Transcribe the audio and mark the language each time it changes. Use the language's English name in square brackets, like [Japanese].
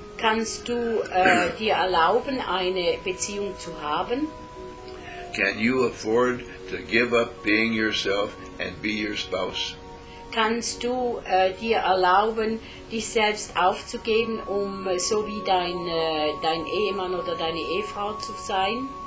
[German] Kannst du dir erlauben, eine Beziehung zu haben? [English] Can you afford to give up being yourself and be your spouse? [German] Kannst du dir erlauben, dich selbst aufzugeben, um so wie dein Ehemann oder deine Ehefrau zu sein?